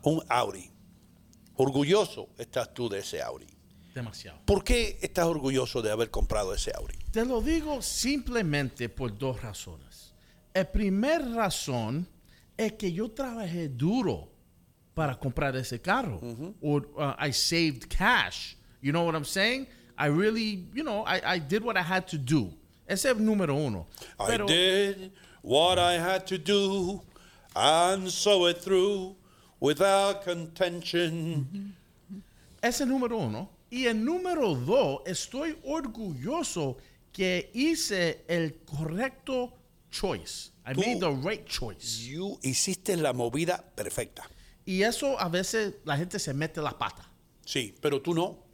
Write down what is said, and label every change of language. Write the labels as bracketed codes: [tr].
[es] Un Audi. Orgulloso estás tú de ese Audi. Demasiado. ¿Por qué estás orgulloso de haber comprado ese Audi? Te lo digo simplemente por dos razones. La primera razón es que yo trabajé duro para comprar ese carro. [en] Uh-huh. I saved cash. You know what I'm saying? I really, you know, I did what I had to do. [es] Ese es número uno. [en] Did what I had to do and saw it through without contention. [es] Uh-huh. Ese es número uno. Y el número dos, estoy orgulloso que hice el correcto choice. [en] Made the right choice. You [es] hiciste la movida perfecta. Y eso a veces la gente se mete la pata. Sí, pero tú no.